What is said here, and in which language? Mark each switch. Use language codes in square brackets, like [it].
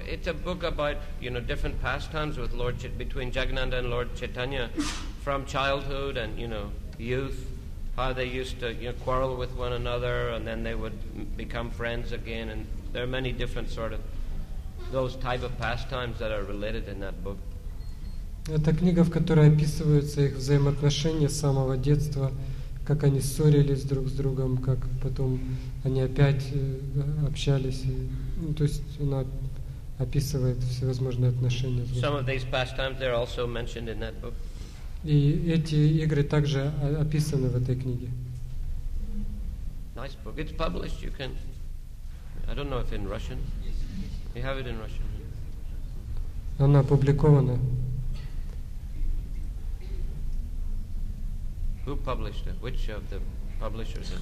[en] It's a book about, you know, different pastimes with Lord between Jagannanda and Lord Chaitanya, from childhood and, you know, youth, how they used to, you know, quarrel with one another and then they would become friends again, and there are many different sort of those type of pastimes that are related in that book. [ru] Это книга, в которой описываются их взаимоотношения с самого детства. Как они ссорились друг с другом, как потом они опять общались. Ну, то есть она описывает всевозможные отношения. [en] Some of these pastimes are also mentioned in that book. [ru] И эти игры также описаны в этой книге. [en] Nice book. It's published. You can. I don't know if in Russian. You have it in Russian. [ru] Она опубликована. [en] Who published it? Which of the publishers?